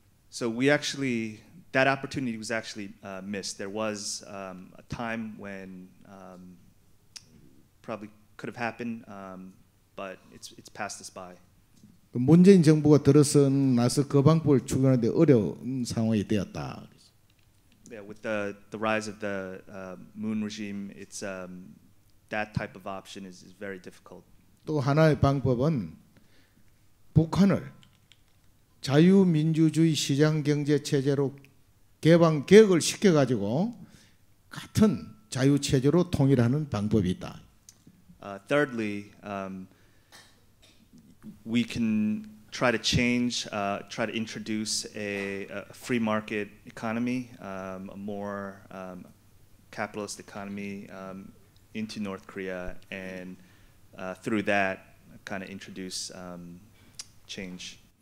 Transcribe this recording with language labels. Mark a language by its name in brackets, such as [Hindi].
[English] So we actually that opportunity was actually missed. There was a time when probably could have happened but it's passed us by. [Korean] 문재인 정부가 들어선 나서 그 방법을 추구하는데 어려운 상황이 되었다. [English] Yeah, with the rise of the Moon regime, it's that type of option is very difficult. [Korean] 또 하나의 방법은 북한을 자유민주주의 시장 경제 체제로 개방 개혁을 시켜 가지고 같은 자유 체제로 통일하는 방법이 있다. [English] Thirdly, we can try to change, try to introduce a free market economy, a more capitalist economy into North Korea, and through that, kind of introduce change.